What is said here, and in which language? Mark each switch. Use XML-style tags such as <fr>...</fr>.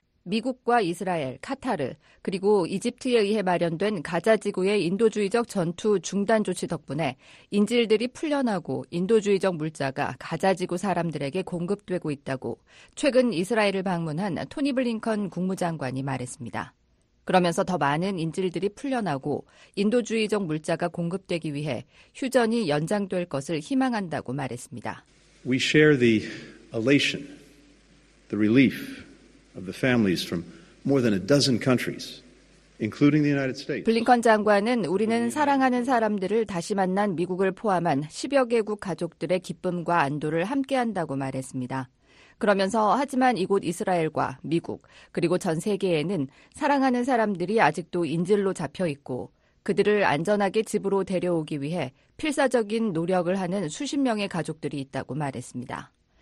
<ko>미국과 이스라엘, 카타르, 그리고 이집트에 의해 마련된 가자 지구의 인도주의적 전투 중단 조치 덕분에 인질들이 풀려나고 인도주의적 물자가 가자 지구 사람들에게 공급되고 있다고 최근 이스라엘을 방문한 토니 블링컨 국무장관이 말했습니다. 그러면서 더 많은 인질들이 풀려나고 인도주의적 물자가 공급되기 위해 휴전이 연장될 것을 희망한다고 말했습니다.</ko> <en>We share the elation, the relief of the families from more than a dozen countries, including the United States.</en> <ko>블링컨 장관은 우리는 사랑하는 사람들을 다시 만난 미국을 포함한 10여 개국 가족들의 기쁨과 안도를 함께한다고 말했습니다. 그러면서 하지만 이곳 이스라엘과 미국 그리고 전 세계에는 사랑하는 사람들이 아직도 인질로 잡혀 있고 그들을 안전하게 집으로 데려오기 위해 필사적인 노력을 하는 수십 명의 가족들이 있다고 말했습니다.</ko>